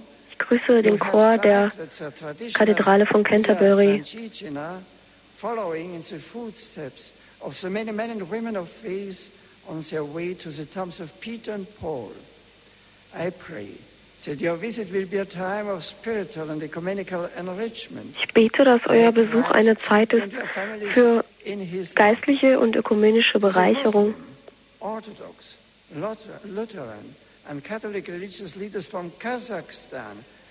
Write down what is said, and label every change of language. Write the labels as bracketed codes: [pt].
[de] Ich grüße den Chor der Kathedrale von Canterbury. [en] Following in the footsteps of so many men and women of faith on their way to the tombs of Peter and Paul, I pray that your visit will be a time of spiritual and ecumenical enrichment. [de] Ich bete, dass euer Besuch eine Zeit ist für geistliche und ökumenische Bereicherung. [en] Orthodox, Lutheran and Catholic religious leaders from Kazakhstan.